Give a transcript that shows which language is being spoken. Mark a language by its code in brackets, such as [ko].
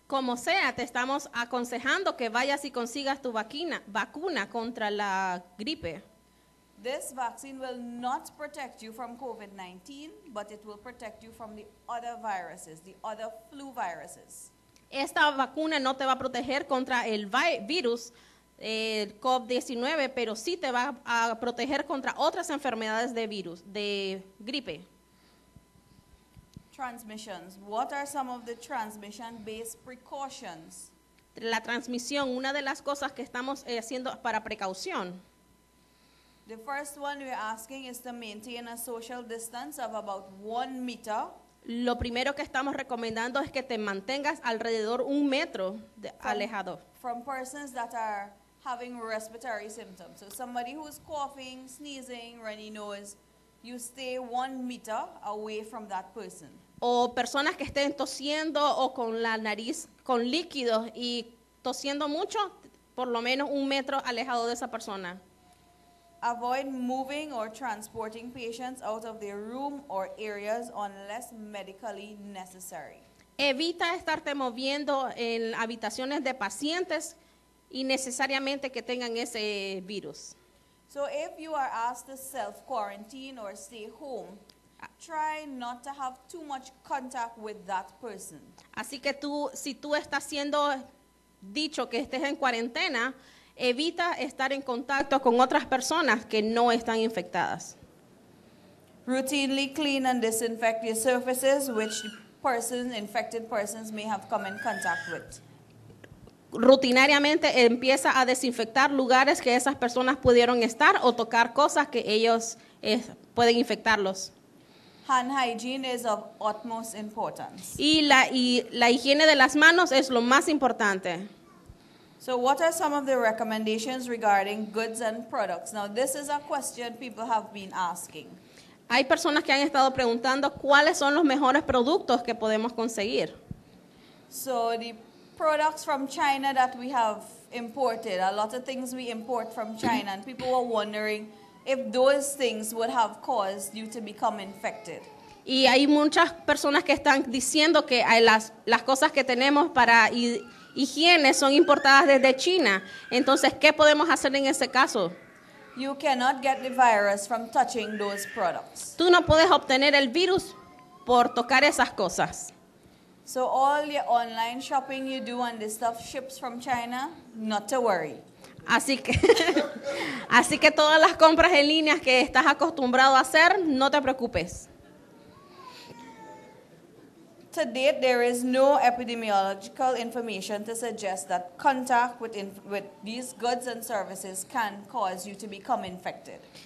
[es] Como sea, te estamos aconsejando que vayas y consigas tu vacuna contra la gripe. [en] This vaccine will not protect you from COVID-19, but it will protect you from the other viruses, the other flu viruses. [es] Esta vacuna no te va a proteger contra el virus COVID-19, pero sí te va a proteger contra otras enfermedades de virus, de gripe. [en] Transmissions. What are some of the transmission-based precautions? [es] La transmisión, una de las cosas que estamos haciendo para precaución. [en] The first one we're asking is to maintain a social distance of about 1 meter. [es] Lo primero que estamos recomendando es que te mantengas alrededor un metro alejado. [en] From persons that are having respiratory symptoms. So somebody who is coughing, sneezing, runny nose, you stay 1 meter away from that person. [es] O personas que estén tosiendo o con la nariz con líquidos y tosiendo mucho, por lo menos un metro alejado de esa persona. [en] Avoid moving or transporting patients out of their room or areas unless medically necessary. [es] Evita estarte moviendo en habitaciones de pacientes innecesariamente que tengan ese virus. [en] So if you are asked to self-quarantine or stay home, try not to have too much contact with that person. [es] Así que tú, si tú estás siendo dicho que estés en cuarentena, evita estar en contacto con otras personas que no están infectadas. [en] Routinely clean and disinfect your surfaces which infected persons may have come in contact with. [es] Rutinariamente empieza a desinfectar lugares que esas personas pudieron estar o tocar cosas que ellos pueden infectarlos. [en] Hand hygiene is of utmost importance. [es] Y la higiene de las manos es lo más importante. [en] So what are some of the recommendations regarding goods and products? Now this is a question people have been asking. [es] Hay personas que han estado preguntando cuáles son los mejores productos que podemos conseguir. [en] So the products from China that we have imported, a lot of things we import from China, and people were wondering if those things would have caused you to become infected. [es] Y hay muchas personas que están diciendo que las cosas que tenemos para higiene son importadas desde China. Entonces, ¿qué podemos hacer en ese caso? [en] You cannot get the virus from touching those products. [es] Tú no puedes obtener el virus por tocar esas cosas. [en] So all the online shopping you do and the stuff ships from China, not to worry. [es] Así que todas las compras en línea que estás acostumbrado a hacer, no te preocupes. [en] To date, there is no epidemiological information to suggest that contact with these goods and services can cause you to become infected.